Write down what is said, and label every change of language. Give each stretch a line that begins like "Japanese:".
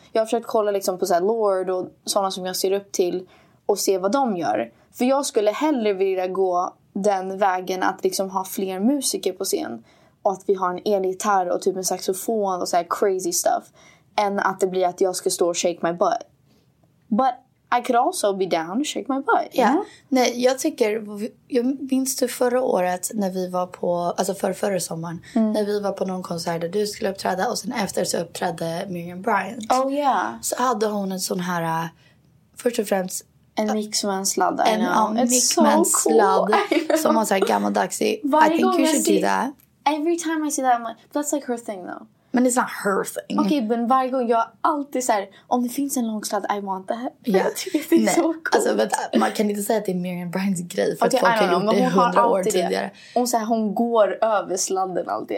Swedish: Jag har försökt kolla liksom på så här Lord och sådana som jag ser upp till och se vad de gör. För jag skulle hellre vilja gå den vägen att liksom ha fler musiker på scen. Och att vi har en elgitarr och typ en saxofon och så här crazy stuff. Än att det blir att jag ska stå och shake my butt.
English: But I could also be down and shake my butt. Yeah. Yeah.
Swedish: Nej, jag tycker, jag minns du förra året när vi var på, alltså förra sommaren, när vi var på någon konsert där du skulle uppträda och sen efter så uppträdde Miriam Bryant.
English: Oh yeah.
Swedish: Så hade hon en sån här, först och främst, en mix med en sladd. En mix med en sladd som var såhär gammaldags.
English: I think you should do that. Every time I see that, I'm like, that's like her thing though. Men it's not her thing.
Swedish: Okej, men varje gång jag alltid säger, om det finns en lång sladd, I want that.
English: Yeah.
Swedish: Jag tycker det är så coolt. Alltså, but, man kan inte säga att det är Miriam Bryans grej. För okay, att folk har gjort det 100 år tidigare. Hon säger, hon går över sladden alltid.